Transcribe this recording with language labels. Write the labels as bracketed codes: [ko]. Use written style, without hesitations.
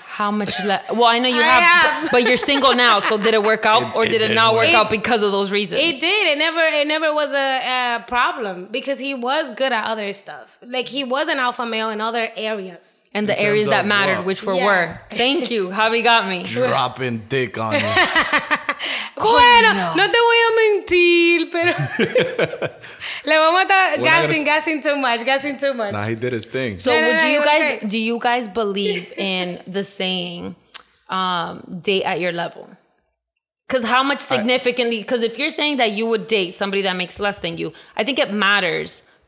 [en] How much less? Well, I know you have. But you're single now, so did it work out or did it not work out because of those reasons? It did. It never was a problem because he was good at other stuff. Like, he was an alpha male in other areas. And the areas that mattered, which were. Thank you. Javi got me. Dropping dick on you. [es] Bueno, no te voy a mentir, pero... Le vamos a estar [en] gassing too much. Nah, he did his thing. Do you guys believe in the saying, date at your level? Because how much significantly... Because if you're saying that you would date somebody that makes less than you, I think it matters...